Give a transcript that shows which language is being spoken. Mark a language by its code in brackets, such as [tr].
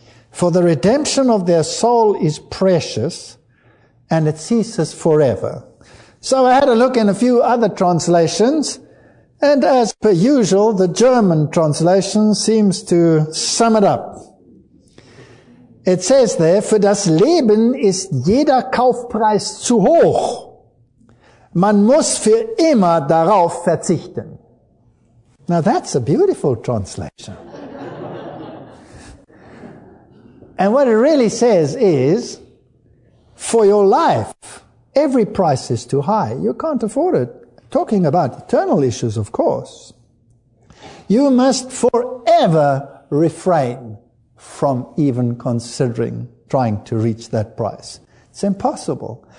[en] For the redemption of their soul is precious, and it ceases forever. So I had a look in a few other translations, and as per usual, the German translation seems to sum it up. It says there, [de] für das Leben ist jeder Kaufpreis zu hoch. Man muss für immer darauf verzichten. [en] Now that's a beautiful translation. And what it really says is, for your life, every price is too high. You can't afford it. Talking about eternal issues, of course. You must forever refrain from even considering trying to reach that price. It's impossible.